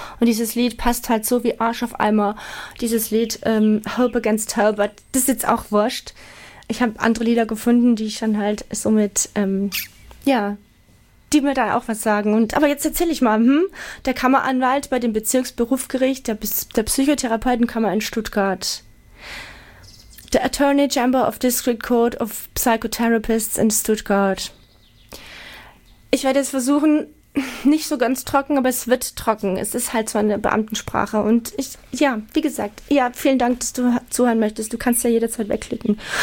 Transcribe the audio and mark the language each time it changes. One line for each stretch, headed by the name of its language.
German: Und dieses Lied passt halt so wie Arsch auf Eimer. Dieses Lied Hope Against Hope, das ist jetzt auch wurscht. Ich habe andere Lieder gefunden, die ich dann halt so mit, ja, die mir da auch was sagen. Und aber jetzt erzähle ich mal, der Kammeranwalt bei dem Bezirksberufgericht, der Psychotherapeutenkammer in Stuttgart.
English: The Attorney General of District Court of Psychotherapists in Stuttgart.
German: Ich werde jetzt versuchen, nicht so ganz trocken, aber es wird trocken. Es ist halt so eine Beamtensprache. Und ich, ja, wie gesagt, ja, vielen Dank, dass du zuhören möchtest. Du kannst ja jederzeit wegklicken.